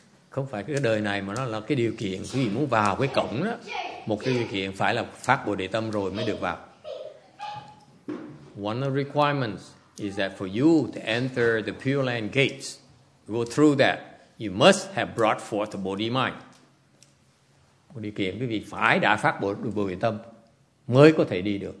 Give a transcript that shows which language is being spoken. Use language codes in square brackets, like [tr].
[vi] Không phải cái đời này mà nó là cái điều kiện quý vị muốn vào cái cổng đó. Một cái điều kiện phải là phát Bồ Đề Tâm rồi mới được vào. [en] One of the requirements is that for you to enter the Pure Land gates, go through that, you must have brought forth the Bodhi mind. [vi] Một điều kiện quý vị phải đã phát Bồ Đề Tâm mới có thể đi được.